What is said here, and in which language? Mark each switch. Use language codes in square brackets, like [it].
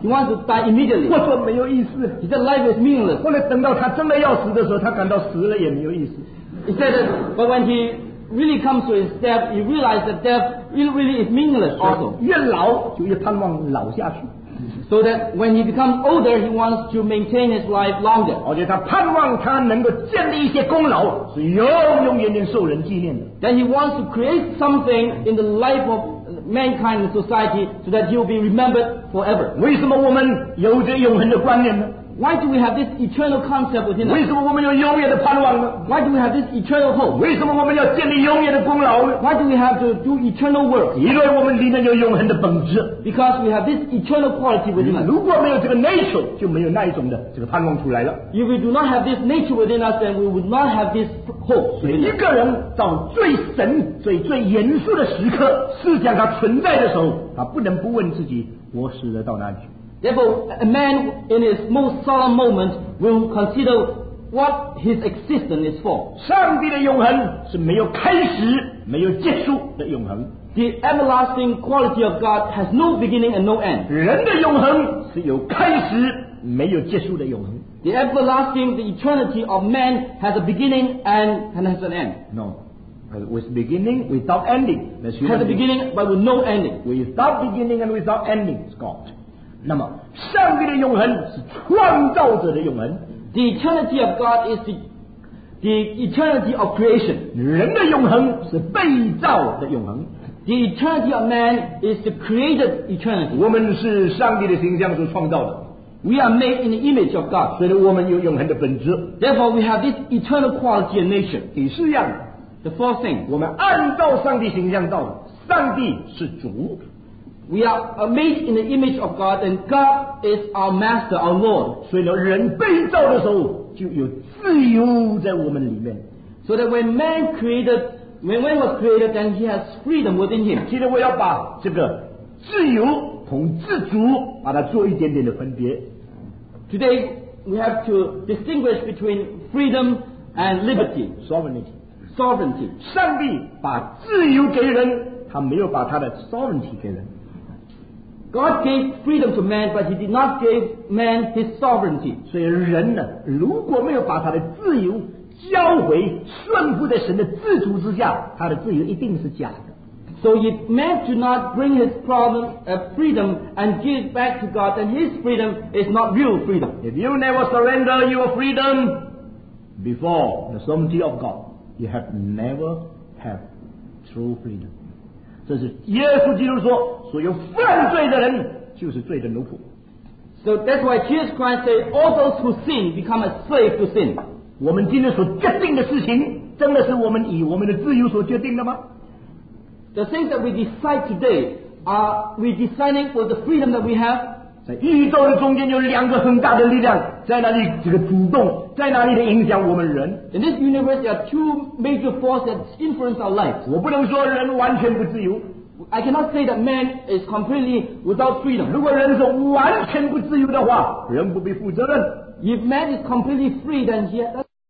[en] He wants to die immediately. [zh] 我说没有意思。 [en] He said life is meaningless. [zh] 后来等到他真的要死的时候，他感到死了也没有意思。 [en] He said that, but when he really comes to his death, he realized that death really is meaningless also. [zh] 越老就越盼望老下去。 [en] So that when he becomes older, he wants to maintain his life longer. [zh] 而且他盼望他能够建立一些功劳，是永永远远受人纪念的。 [en] Then he wants to create something in the life of mankind and society so that he will be remembered forever. [zh] 为什么我们有着永恒的观念呢？ [en] Why do we have this eternal concept within us? [zh] 为什么我们有永远的盼望呢？ [en] Why do we have this eternal hope? [zh] 为什么我们要建立永远的功劳呢？ [en] Why do we have to do eternal work? [zh] 因为我们里面有永恒的本质。 [en] Because we have this eternal quality within us. [zh] 如果没有这个 nature, 就没有那一种的这个盼望出来了。 [en] If we do not have this nature within us, then we would not have this hope. [zh] 所以一个人到最神、最最严肃的时刻，思想他存在的时候，他不能不问自己，我死了到哪里去？ [en] Therefore, a man in his most solemn moment will consider what his existence is for. [zh] 上帝的永恒是没有开始、没有结束的永恒。 [en] The everlasting quality of God has no beginning and no end. [zh] 人的永恒是有开始、没有结束的永恒。 [en] The everlasting, the eternity of man has a beginning and has an end. No. With beginning, without ending. Has a beginning, but with no ending. Without beginning and without ending, it's God. [zh] 那么上帝的永恒是创造者的永恒。 [en] The eternity of God is the eternity of creation. [zh] 人的永恒是被造的永恒。 [en] The eternity of man is the created eternity. [zh] 我们是上帝的形象所创造的。 [en] We are made in the image of God. [zh] 所以我们有永恒的本质。 [en] Therefore we have this eternal quality and nature. [zh] 第四样， [en] The fourth thing. [zh] 我们按照上帝形象造的，上帝是主。 [en] We are made in the image of God, and God is our master, our Lord. [zh] 所以呢，人被造的时候就有自由在我们里面。 [en] So that when man created, when man was created, then he has freedom within him. [zh] 今天我要把这个自由同自主把它做一点点的分别。 [en] Today we have to distinguish between freedom and liberty, sovereignty. Sovereignty. [zh] 上帝把自由给人，他没有把他的 sovereignty 给人。 [en] God gave freedom to man, but he did not give man his sovereignty. [zh] 所以人呢，如果没有把他的自由交回顺服在神的自主之下，他的自由一定是假的。 [en] So if man do not bring his problem, freedom and give it back to God, then his freedom is not real freedom. If you never surrender your freedom before the sovereignty of God, you have never had true freedom. [zh] 这是耶稣基督说，所有犯罪的人就是罪的奴仆。 [en] So that's why Jesus Christ said, all those who sin become a slave to sin. [zh] 我们今天所决定的事情真的是我们以我们的自由所决定的吗？ [en] The things that we decide today are we deciding for the freedom that we have? [zh] 在宇宙的中间有两个很大的力量在那里，这个主动在那里的影响我们人。 [en] In this universe there are two major forces that influence our lives. [zh] 我不能说人完全不自由。 [en] I cannot say that man is completely without freedom. [zh] 如果人是完全不自由的话，人不必负责任。 [en] If man is completely free, then he has